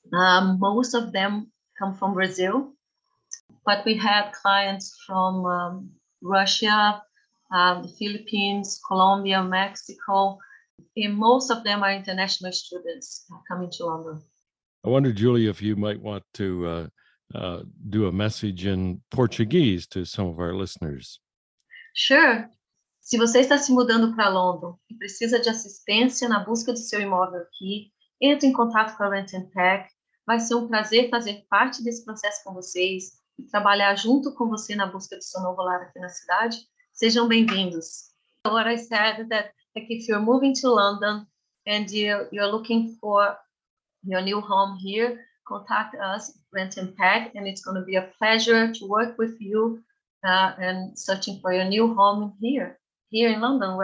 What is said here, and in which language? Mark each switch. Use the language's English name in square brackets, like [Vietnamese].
[English] Most of them come from Brazil, but we have clients from Russia, the Philippines, Colombia, Mexico, and most of them are international students coming to London. I wonder, Julie, if you might want to do a message in Portuguese to some of our listeners. Sure. [Portuguese] Se você está se mudando para London e precisa de assistência na busca do seu imóvel aqui, entre em contato com a Rent & Pack. Vai ser um prazer fazer parte desse processo com vocês e trabalhar junto com você na busca do seu novo lar aqui na cidade. Sejam bem-vindos. [English] What I said that like if you're moving to London and you're looking for your new home here, contact us, Rent & Pack, and it's going to be a pleasure to work with you and searching for your new home here in London.